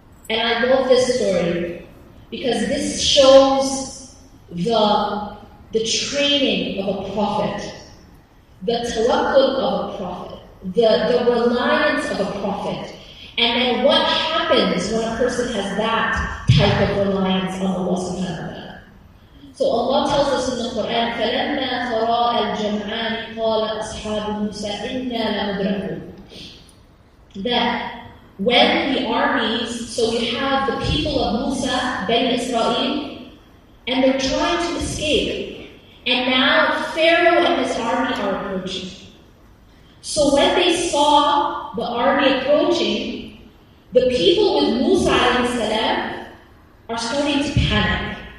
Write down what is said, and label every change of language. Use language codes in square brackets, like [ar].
[en] And I love this story because this shows the training of a prophet, the tawakkul of a prophet, the reliance of a prophet, and then what happens when a person has that type of reliance on Allah subhanahu wa ta'ala. So Allah tells us in the Quran, [ar] فَلَمَّا فَرَاءَ الْجَمْعَانِ قَالَ أَصْحَابُ مُوسَىٰ إِنَّا لَمُدْرَكُونَ. [en] That when the armies, so you have the people of Musa, Bani Israel, and they're trying to escape. And now Pharaoh and his army are approaching. So when they saw the army approaching, the people with Musa alayhi salam are starting to panic.